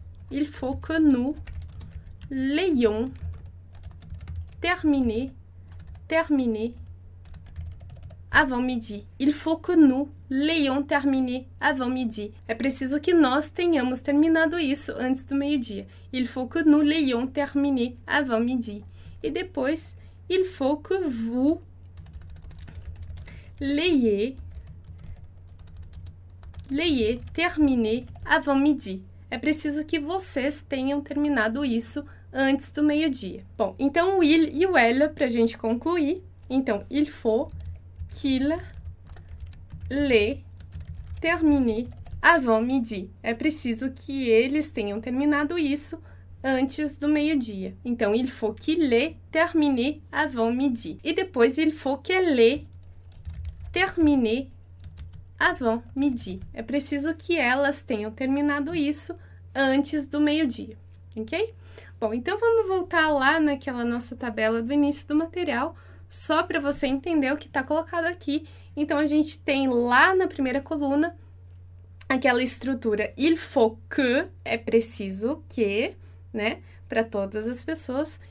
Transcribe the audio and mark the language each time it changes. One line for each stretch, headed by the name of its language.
French: Il faut que nous l'ayons terminé avant midi. Il faut que nous l'ayons terminé avant midi.
Portuguese: É preciso que nós tenhamos terminado isso antes do meio-dia.
French: Il faut que nous l'ayons terminé avant midi.
Portuguese: E depois,
French: il faut que vous l'ayez terminé avant midi.
Portuguese: É preciso que vocês tenham terminado isso antes do meio-dia. Bom, então o il e o elle para a gente concluir. Então,
French: il faut qu'il l'ait terminé avant midi.
Portuguese: É preciso que eles tenham terminado isso antes do meio-dia. Então,
French: il faut qu'il ait terminé avant midi.
Portuguese: E depois,
French: il faut qu'elle ait terminé avant midi.
Portuguese: É preciso que elas tenham terminado isso antes do meio-dia. Ok? Bom, então vamos voltar lá naquela nossa tabela do início do material, só para você entender o que está colocado aqui. Então, a gente tem lá na primeira coluna aquela estrutura
French: il faut que,
Portuguese: é preciso que, né, para todas as pessoas.